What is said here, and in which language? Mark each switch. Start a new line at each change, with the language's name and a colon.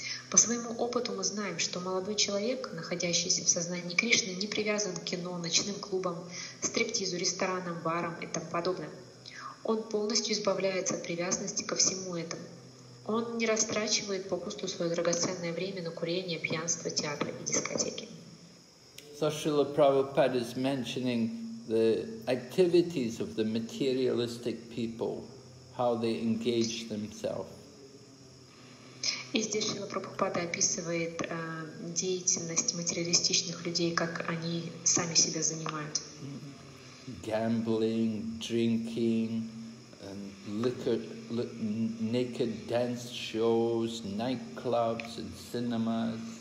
Russian: По своему опыту мы знаем, что молодой человек, находящийся в сознании Кришны, не привязан к кино, ночным клубам, стриптизу, ресторанам, барам и тому подобное. Он полностью избавляется от привязанности ко всему этому. Он не растрачивает попусту свое драгоценное время на курение, пьянство, театры и дискотеки.
English: So Srila Prabhupada is mentioning the activities of the materialistic people, how they engage themselves.
Russian: И здесь Шрила Прабхупада описывает деятельность материалистичных людей, как они сами себя занимают.
English: Gambling, drinking, and naked dance shows, nightclubs and cinemas.